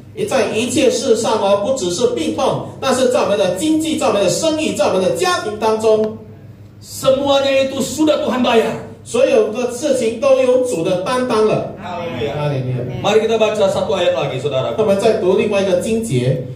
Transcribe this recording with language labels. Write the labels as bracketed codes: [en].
[zh] 在一切事上哦，不只是病痛，但是在我们的经济、在我们的生意、在我们的家庭当中， [id] semuanya itu sudah Tuhan bayar. [zh] 所有的事情都有主的担当了。哈利路亚，哈利路亚。 [id] Mari kita baca satu ayat lagi, saudara. [zh] 我们再读另外一个经节，